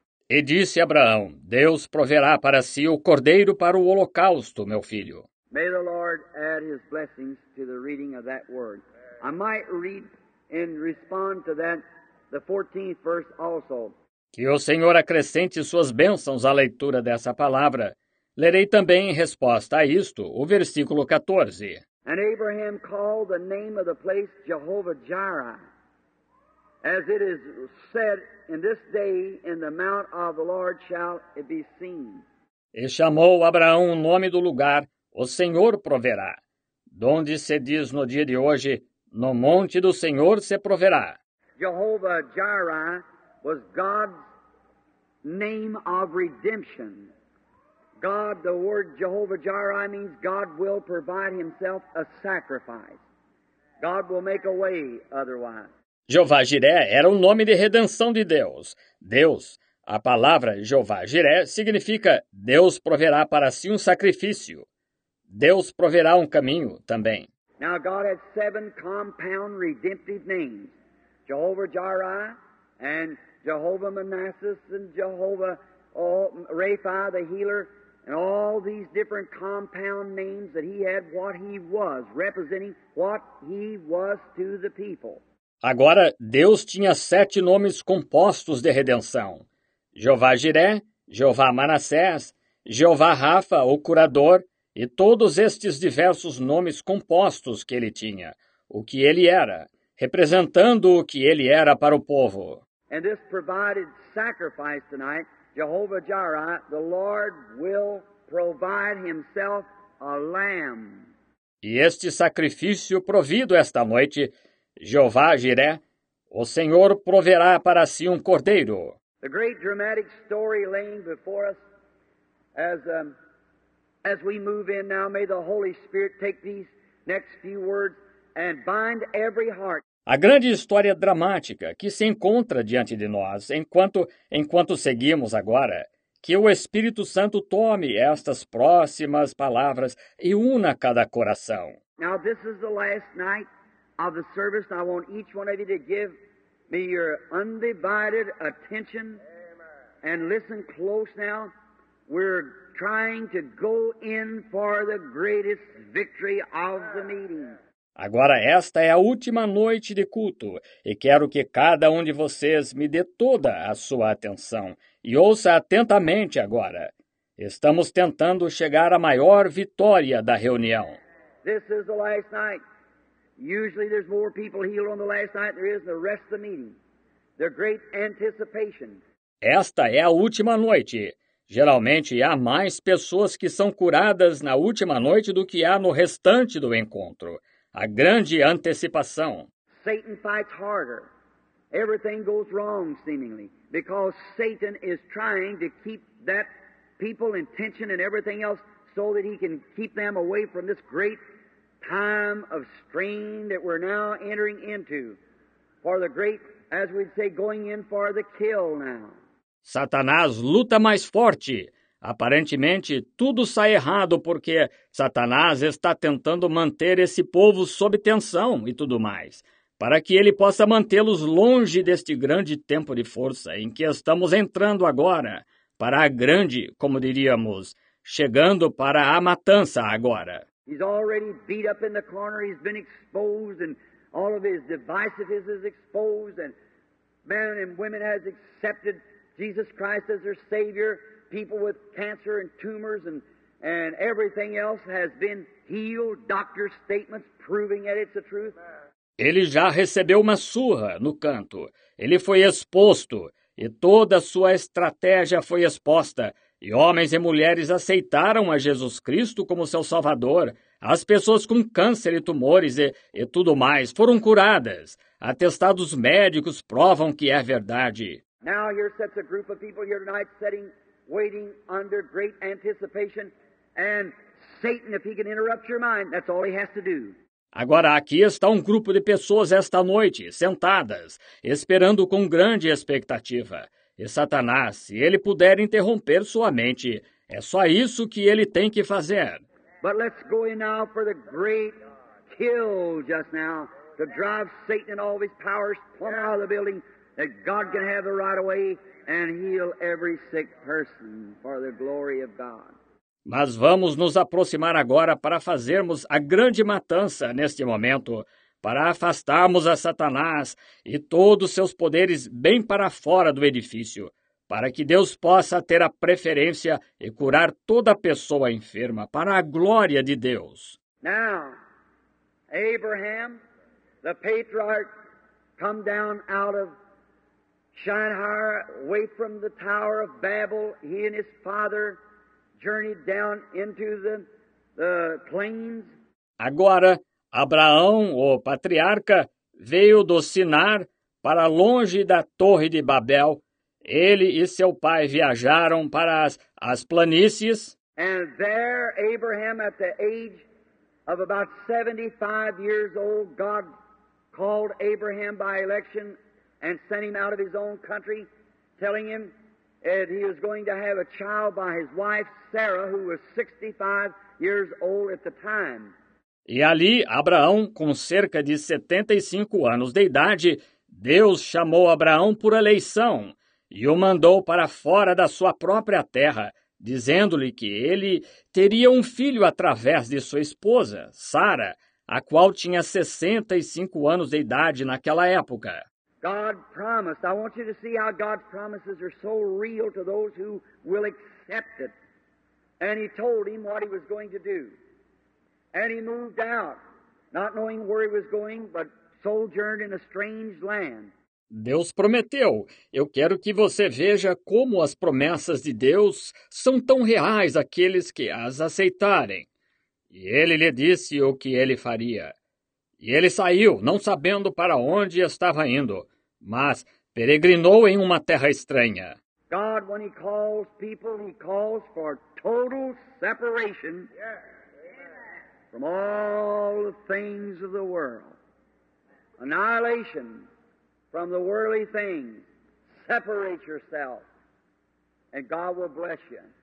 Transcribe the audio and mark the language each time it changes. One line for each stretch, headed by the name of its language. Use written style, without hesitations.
Portuguese: E disse Abraão, Deus proverá para si o cordeiro para o holocausto, meu filho.
English: May the Lord add his blessings to the reading of that word. I might read and respond to that the 14th verse also.
Portuguese: Que o Senhor acrescente suas bênçãos à leitura dessa palavra. Lerei também em resposta a isto, o versículo 14.
English: And Abraham called the name of the place Jehovah Jireh, as it is said, In this day in the mount of the Lord shall it be seen.
Portuguese: E chamou Abraão o nome do lugar, O Senhor proverá. Donde se diz no dia de hoje, No monte do Senhor se proverá.
English: Jehovah Jireh was God's name of redemption. God, the word Jehovah Jireh means God will provide himself a sacrifice. God will make a way otherwise.
Portuguese: Jeová Jiré era o nome de redenção de Deus. Deus, a palavra Jeová Jiré significa Deus proverá para si um sacrifício. Deus proverá um caminho também.
English: Now God had seven compound redemptive names. Jehovah Jireh and Jehovah Manassas and Jehovah Rapha, the healer. And all these different compound names that he had, what he was, representing what he was to the people.
Portuguese: Agora, Deus tinha sete nomes compostos de redenção. Jeová Jiré, Jeová Manassés, Jeová Rafa, o curador, e todos estes diversos nomes compostos que ele tinha, o que ele era, representando o que ele era para o povo.
English: And this provided sacrifice tonight. Jehovah Jireh, the Lord will provide himself a lamb.
Portuguese: E este sacrifício provido esta noite, Jeová Jireh, o Senhor proverá para si um cordeiro.
English: The great dramatic story laying before us as we move in now, may the Holy Spirit take these next few words and bind every heart.
Portuguese: A grande história dramática que se encontra diante de nós enquanto seguimos agora, que o Espírito Santo tome estas próximas palavras e una cada coração.
English: Now this is the last night of the service. I want each one of you to give me your undivided attention and listen close now. We're trying to go in for the greatest victory of the meeting.
Portuguese: Agora esta é a última noite de culto e quero que cada um de vocês me dê toda a sua atenção e ouça atentamente agora. Estamos tentando chegar à maior vitória da reunião.
English: This is the last night. Usually there's more people healed on the last night than there is the rest of the meeting. The great anticipation.
Portuguese: Esta é a última noite. Geralmente há mais pessoas que são curadas na última noite do que há no restante do encontro. A grande antecipação.
English: Satan fights harder. Everything goes wrong seemingly because Satan is trying to keep that people in tension and everything else so that he can keep them away from this great time of strain that we're now entering into for the great, as we'd say, going in for the kill now.
Portuguese: Satanás luta mais forte. Aparentemente, tudo sai errado porque Satanás está tentando manter esse povo sob tensão e tudo mais, para que ele possa mantê-los longe deste grande tempo de força em que estamos entrando agora, para a grande, como diríamos, chegando para a matança agora.
English: He's already beat up in the corner, he's been exposed, and all of his divisiveness is exposed, and men and women has accepted Jesus Christ as their Savior. People with cancer and tumors and everything else has been healed. Doctor statements proving that it's the truth.
Portuguese: Ele já recebeu uma surra no canto. Ele foi exposto e toda a sua estratégia foi exposta. E homens e mulheres aceitaram a Jesus Cristo como seu Salvador. As pessoas com câncer e tumores e tudo mais foram curadas. Atestados médicos provam que é verdade.
English: Now here sits a group of people here tonight sitting, waiting under great anticipation, and Satan, if he can interrupt your mind, that's all he has to do.
Portuguese: Agora aqui está um grupo de pessoas esta noite, sentadas, esperando com grande expectativa. E Satanás, se ele puder interromper sua mente, é só isso que ele tem que fazer.
English: But let's go in now for the great kill just now, to drive Satan and all of his powers plumb out of the building, that God can have the right of way and heal every sick person for the glory of God.
Portuguese: Mas vamos nos aproximar agora para fazermos a grande matança neste momento, para afastarmos a Satanás e todos seus poderes bem para fora do edifício, para que Deus possa ter a preferência e curar toda pessoa enferma para a glória de Deus.
English: Now, Abraham, the patriarch, come down out of Shinar, away from the Tower of Babel. He and his father journeyed down into the plains.
Portuguese: Agora, Abraão, o patriarca, veio do Sinar para longe da Torre de Babel. Ele e seu pai viajaram para as planícies.
English: And there, Abraham, at the age of about 75 years old, God called Abraham by election and sent him out of his own country, telling him that he was going to have a child by his wife, Sarah, who was 65 years old at the time.
Portuguese: E ali, Abraão, com cerca de 75 anos de idade, Deus chamou Abraão por eleição e o mandou para fora da sua própria terra, dizendo-lhe que ele teria um filho através de sua esposa, Sara, a qual tinha 65 anos de idade naquela época.
English: God promised. I want you to see how God's promises are so real to those who will accept it. And he told him what he was going to do. And he moved out, not knowing where he was going, but sojourned in a strange land.
Portuguese: Deus prometeu. Eu quero que você veja como as promessas de Deus são tão reais àqueles que as aceitarem. E ele lhe disse o que ele faria. E ele saiu, não sabendo para onde estava indo, mas peregrinou em uma terra estranha.
English: God, when he calls people, he calls for total separation from all the things of the world. Annihilation from the worldly things. Separate yourself, and God will bless you.